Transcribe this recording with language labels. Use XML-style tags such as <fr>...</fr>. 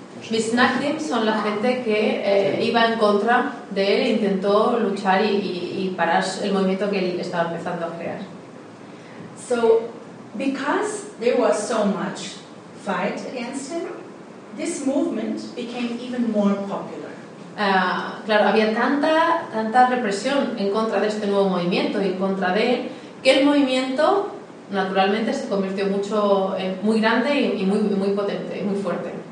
<es>Misnagdim son la gente que iba en contra de él e intentó luchar y parar el movimiento que él estaba empezando a crear.</es> <en>So, because there was so much fight against him, this movement became even more popular.</en> <es>Claro, había tanta represión en contra de este nuevo movimiento y en contra de él, que el movimiento naturalmente se convirtió mucho en muy grande y muy potente, muy fuerte.</es>